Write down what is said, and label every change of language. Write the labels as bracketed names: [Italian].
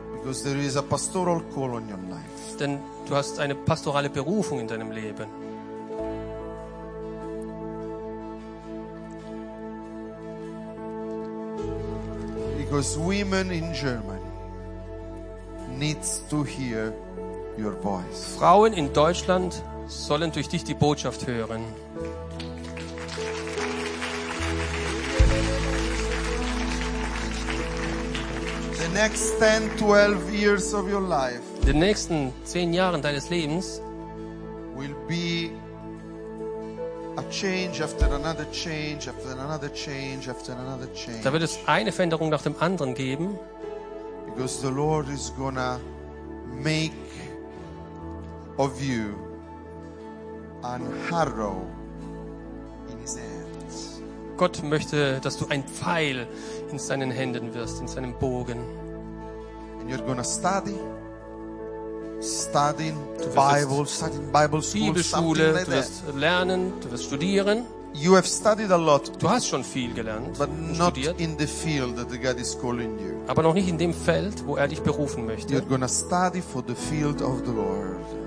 [English] Because there is a pastoral call on your life. [German] Denn du hast eine pastorale Berufung in deinem Leben. [English] Because women in Germany needs to hear your voice. [German] Frauen in Deutschland sollen durch dich die Botschaft hören. [English] The next 10, 12 years of your life. [German] Die nächsten 10 Jahren deines Lebens [English] will be a change after another change after another change after another change. [German] Da wird es eine Veränderung nach dem anderen geben. [English] Because the Lord is gonna make of you an arrow in his hand. [German] Gott möchte, dass du ein Pfeil in seinen Händen wirst, in seinem Bogen. [English] You're gonna study du Bible, studying Bible school, [German] Bibelschule, [English] something like [German] du wirst [English] that. [German] Lernen, du wirst studieren. [English] You have studied a lot, [German] du hast schon viel gelernt, [English] but not in the field that God is calling you. [German] Aber noch nicht in dem Feld, wo er dich berufen möchte. [English] You're gonna study for the field of the Lord.